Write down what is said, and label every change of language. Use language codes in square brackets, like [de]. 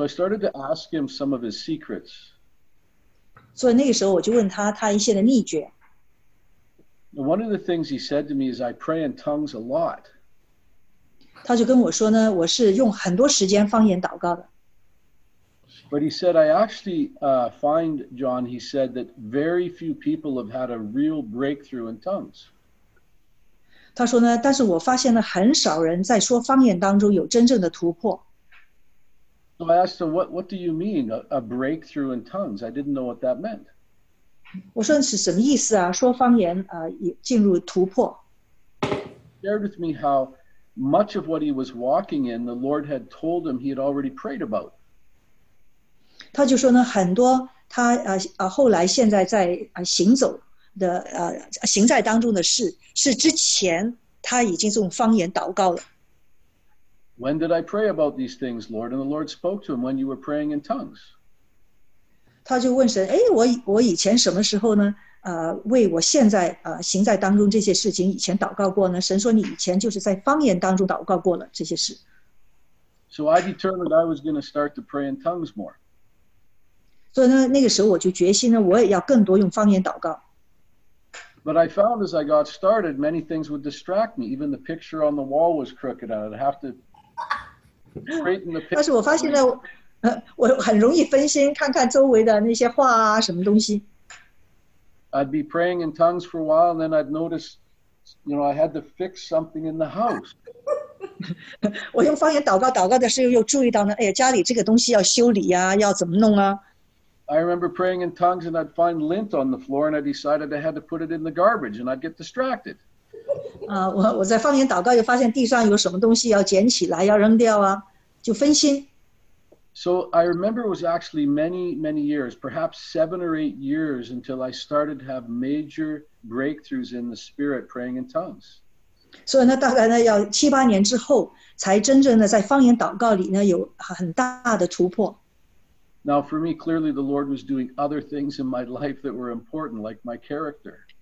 [en] I started to ask him some of his secrets. [zh] 所以那个时候我就问他一些的秘诀。 [en] One of the things he said to me is, I pray in tongues a lot. [zh] 他就跟我说呢，我是用很多时间方言祷告的。 [en] But he said, I actually find, John, he said that very few people have had a real breakthrough in tongues. [zh] 他说呢,但是我发现了很少人在说方言当中有真正的突破。 [en] So I asked him, what do you mean, a breakthrough in tongues? I didn't know what that meant. [zh] 我说是什么意思啊,说方言进入突破。 [en] He shared with me how much of what he was walking in, the Lord had told him he had already prayed about. [zh] 他就说呢，很多他后来现在在行走，的行在当中的事，是之前他已经用方言祷告了。 [en] When did I pray about these things, Lord? And the Lord spoke to him when you were praying in tongues. [zh] 他就问神，我以前什么时候呢？为我现在行在当中这些事情以前祷告过呢？神说你以前就是在方言当中祷告过了这些事。 [en] So I determined I was going to start to pray in tongues more. [zh] 所以呢，那个时候我就决心呢，我也要更多用方言祷告。 [en] But I found as I got started, many things would distract me. Even the picture on the wall was crooked, and I'd have to straighten the picture. [zh] 但是我发现呢，我很容易分心，看看周围的那些画啊，什么东西。 [en] I'd be praying in tongues for a while, and then I'd notice, you know, I had to fix something in the house. [zh] 我用方言祷告，祷告的时候又注意到呢，哎呀，家里这个东西要修理呀，要怎么弄啊？ [en] I remember praying in tongues and I'd find lint on the floor and I decided I had to put it in the garbage and I'd get distracted. [zh] 我在方言祷告又发现地上有什么东西要捡起来要扔掉啊，就分心。 [en] So I remember it was actually many, many years, perhaps 7 or 8 years until I started to have major breakthroughs in the spirit praying in tongues. [zh] 所以呢，大概呢要七八年之后才真正的在方言祷告里呢有很大的突破。 [en] Now for me, clearly the Lord was doing other things in my life that were important, like my character.